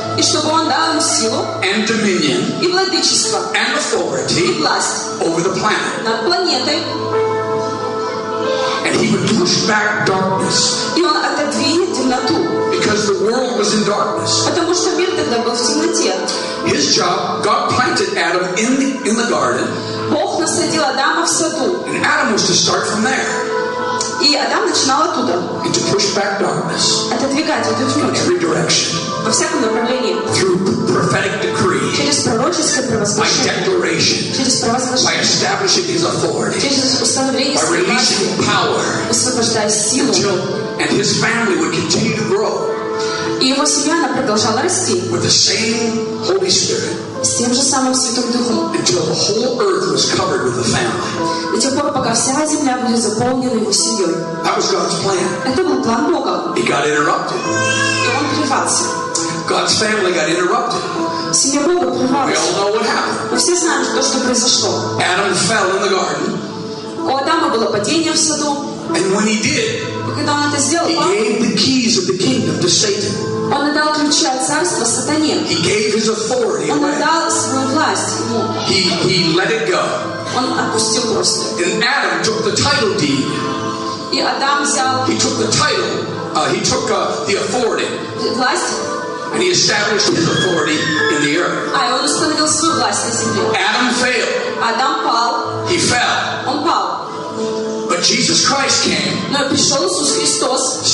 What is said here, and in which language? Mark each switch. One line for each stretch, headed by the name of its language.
Russian: И чтобы он дал ему силу.
English: And dominion.
Russian: И владычество.
English: And authority.
Russian: И власть.
English: Over the planet.
Russian: Над планетой.
English: And he would push back darkness.
Russian: И он отодвинет темноту.
English: Because the world was in darkness.
Russian: Потому что мир тогда был в темноте.
English: His job, God planted Adam in the garden.
Russian: Бог насадил Адама в саду.
English: And Adam was to start from there.
Russian: И Адам начинал оттуда.
English: And to push back darkness.
Russian: Отодвигать эту тьму.
English: In every direction.
Russian: Во всяком направлении.
English: Through prophetic decree.
Russian: Через пророческое провозглашение.
English: By declaration.
Russian: Через провозглашение.
English: By establishing his authority.
Russian: Через установление силы.
English: By releasing power.
Russian: Освобождая силу.
English: Until, and his family would continue to grow.
Russian: И его семья, она продолжала расти.
English: With the same Holy Spirit.
Russian: С тем же самым Святым Духом.
English: Until the whole earth was covered with the family.
Russian: До тех пор, пока вся земля будет заполнена его семьей.
English: That was God's plan.
Russian: Это был план Бога.
English: He got interrupted. God's family got interrupted.
Russian: Семья Бога прервалась.
English: We all know what happened.
Russian: Мы все знаем, что то, что произошло.
English: Adam fell in the garden.
Russian: У Адама было падение в саду.
English: And when he did,
Russian: когда он это сделал,
English: he gave the keys of the kingdom to Satan.
Russian: Он отдал ключи от царства сатане.
English: He gave his authority.
Russian: Он отдал свою власть ему.
English: He let it go.
Russian: Он отпустил просто.
English: And Adam took the title deed.
Russian: И Адам взял.
English: He took the title. He took the authority.
Russian: Власть.
English: And he established his authority in the earth.
Russian: А он установил свою власть на земле.
English: Adam failed.
Russian: Адам пал.
English: He fell.
Russian: Он пал.
English: But Jesus Christ came.
Russian: Но пришел Иисус Христос.